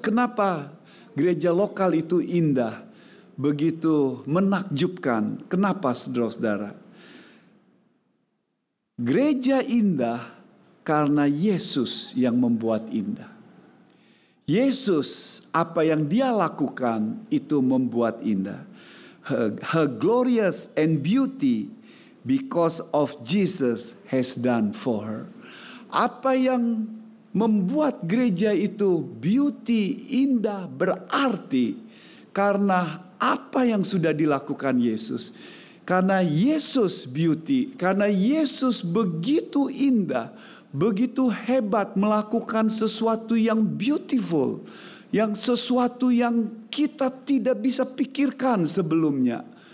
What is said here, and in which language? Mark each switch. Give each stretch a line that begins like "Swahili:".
Indonesian: Kenapa gereja lokal itu indah, begitu menakjubkan? Kenapa, saudara-saudara? Gereja indah karena Yesus yang membuat indah. Yesus, apa yang dia lakukan itu membuat indah.
English: Her glorious and beauty because of Jesus has done for her.
Indonesian: Apa yang membuat gereja itu beauty, indah, berarti karena apa yang sudah dilakukan Yesus. Karena Yesus beauty, karena Yesus begitu indah, begitu hebat melakukan sesuatu yang beautiful, yang sesuatu yang kita tidak bisa pikirkan sebelumnya.